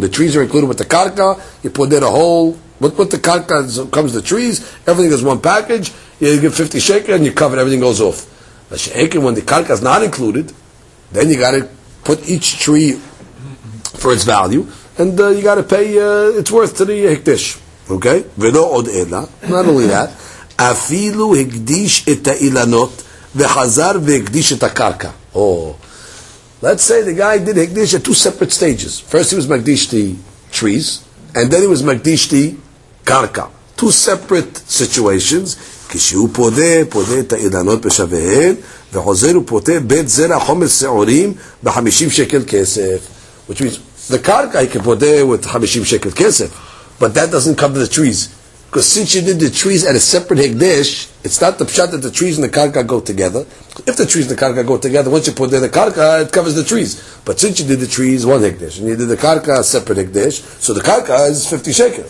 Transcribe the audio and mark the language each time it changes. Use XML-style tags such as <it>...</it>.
<en>The trees are included with the karka, you put in a whole, with the karka comes the trees, everything is one package, you give 50 shekel and you cover it, everything goes off. But she'ekin, when the karka is not included, then you gotta put each tree for its value, and you gotta pay its worth to the hekdesh. Okay?</en> <he>V'lo od ela,</he> <en>not only that,</en> <he>אפילו הקדיש את האילנות וחזר והקדיש את הקרקע.</he> <en>Oh, let's say the guy did הקדיש at two separate stages. First he was מקדיש the trees, and then he was מקדיש the קרקע. Two separate situations.</en> <he>כשהוא פודה את האילנות בשוויהן, וחוזר הוא פודה בית זרע חומר שעורים ב-50 שקל כסף.</he> <en>Which means, the קרקע he can פודה with 50 שקל כסף, but that doesn't come to the trees. Because since you did the trees at a separate hekdesh, it's not the pshat that the trees and the karka go together. If the trees and the karka go together, once you put in the karka, it covers the trees. But since you did the trees, one hekdesh, and you did the karka, a separate hekdesh, so the karka is 50 shekel.</en>